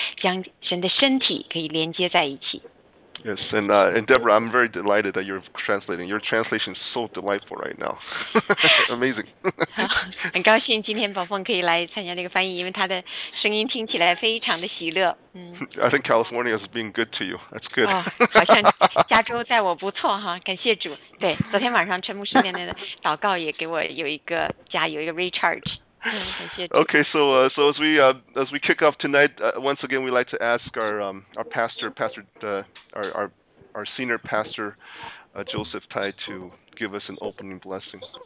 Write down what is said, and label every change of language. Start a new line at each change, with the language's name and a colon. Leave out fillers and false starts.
Chinese: 他们是真正的国度的这样的一个建造的，神的教会的这样的一个建造的，因为他们真的是将神的身体可以连接在一起。
English: Yes, and Deborah, I'm very delighted that you're translating. Your translation is so delightful right now. Amazing.
Chinese: 很高兴今天宝凤可以来参加这个翻译，因为她的声音听起来非常的喜乐。
English: I think California is being good to you. That's good.
Chinese: 好像加州待我不错，感谢主。对，昨天晚上陈牧师那边的祷告也给我有一个加油，一个 recharge。
English: Okay, so as we kick off tonight, once again we'd like to ask our senior pastor Joseph Tai to give us an opening blessing.